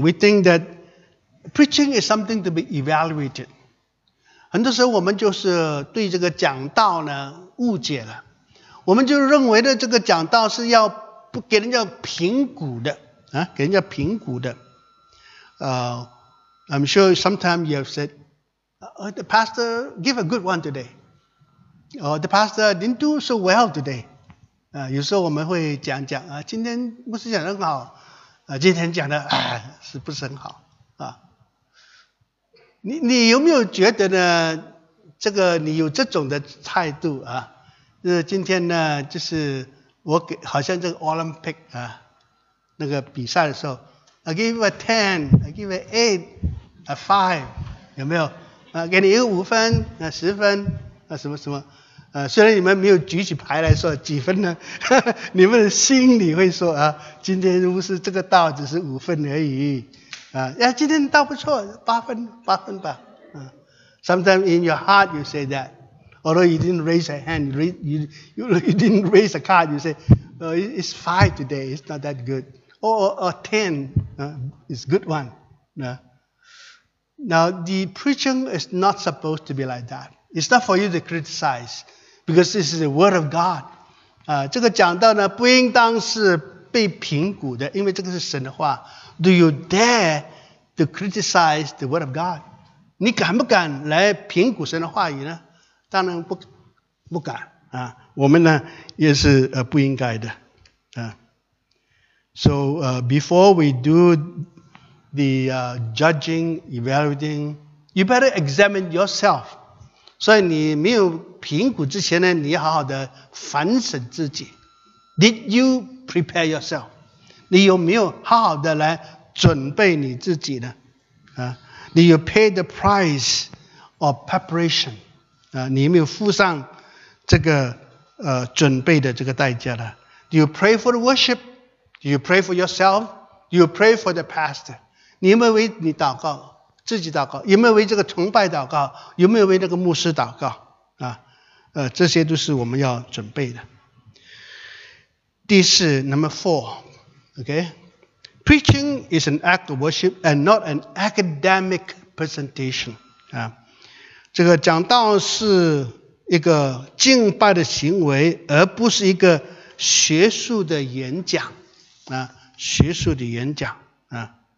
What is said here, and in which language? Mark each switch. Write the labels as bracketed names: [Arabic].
[English] We think that preaching is something to be evaluated. [Chinese] 很多时候我们就是对这个讲道呢误解了，我们就认为的这个讲道是要不给人家评估的啊，给人家评估的。 [English] I'm sure sometimes you have said,the pastor give a good one today. Or the pastor didn't do so well today. [Chinese] 有时候我们会讲讲啊，今天不是讲得很好，今天讲的是不是很好啊？你有没有觉得呢？这个你有这种的态度啊？就是今天呢，就是。我给好像这个 Olympic 啊，那个比赛的时候 ， [English] I give a ten, I give an eight, a five， [Chinese] 有没有？啊，给你一个五分，啊，十分，啊，什么什么？虽然你们没有举起牌来说几分呢，你们心里会说啊，今天不是这个道只是五分而已，啊，今天道不错，八分吧， [English] Sometimes in your heart you say that. Although you didn't raise a hand, you didn't raise a card, you say, it's five today, it's not that good. Or ten, it's a good one. Now, the preaching is not supposed to be like that. It's not for you to criticize, because this is the word of God. [Chinese] 这个讲到呢不应当是被评估的，因为这个是神的话。 [English] Do you dare to criticize the word of God? [Chinese] 你敢不敢来评估神的话语呢？当然不敢啊！我们呢也是不应该的啊。 [English] So before we do the judging, evaluating, you better examine yourself. [Chinese] 所以你没有评估之前呢，你要好好的反省自己。 [English] Did you prepare yourself? [Chinese] 你有没有好好的来准备你自己呢？ [English] 啊，你有 pay the price of preparation? [Chinese] 你有没有付上这个准备的这个代价呢？ [English] Do you pray for the worship? Do you pray for yourself? Do you pray for the pastor? [Chinese] 你有没有为你祷告，自己祷告？有没有为这个崇拜祷告？有没有为那个牧师祷告？这些都是我们要准备的。 [English] 第四 ，Number four, okay, preaching is an act of worship and not an academic presentation. [Chinese] 这个讲道是一个敬拜的行为，而不是一个学术的演讲啊，学术的演讲啊。